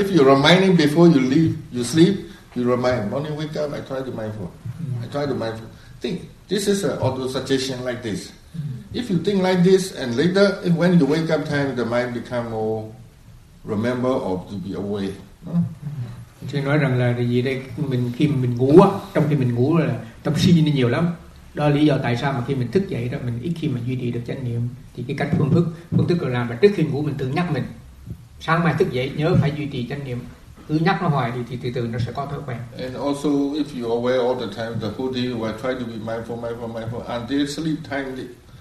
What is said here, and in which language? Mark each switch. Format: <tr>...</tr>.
<en>If you're reminding before you leave, you sleep, you remind. Morning wake up, I try to mindful. Mm. I try to mindful. Think, this is an auto suggestion like this. If you think like this, and later, if when you wake up time, the mind become more remember or to be away.</en> <vi>Thì nói rằng là gì đây? Mình khi mình ngủ, trong khi mình ngủ là tâm suy nghĩ nhiều lắm. Đó là lý do tại sao mà khi mình thức dậy đó, mình ít khi mà duy trì được chánh niệm. Thì cái cách phương thức là làm là trước khi ngủ mình tự nhắc mình. Sáng mai thức dậy nhớ phải duy trì chánh niệm. Cứ nhắc nó hoài thì từ từ nó sẽ có thói quen.</vi> <en>And also, if you are aware all the time, the whole day you try to be mindful until sleep time.</en>